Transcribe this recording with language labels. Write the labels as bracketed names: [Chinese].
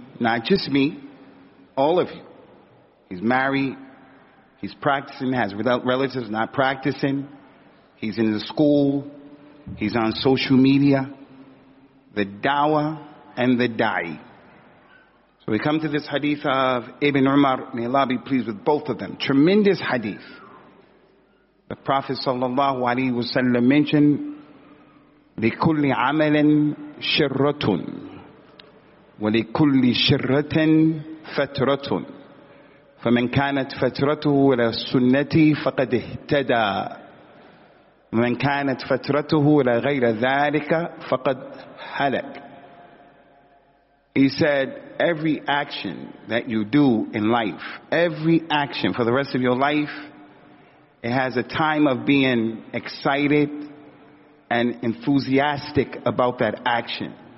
[English] Not just me, all of you. He's married, he's practicing, has without relatives, not practicing. He's in the school, he's on social media. The da'wah and the da'i. So we come to this hadith of Ibn Umar, may Allah be pleased with both of them. Tremendous hadith. The Prophet sallallahu alaihi wasallam mentioned, [Arabic] لكل عمل شرة ولكل شرة فترة فمن كانت فترته إلى السنة فقد اهتدى ومن كانت فترته إلى غير ذلك فقد هلك. [English] He said, every action that you do in life, every action for the rest of your life, it has a time of being excited and enthusiastic about that action.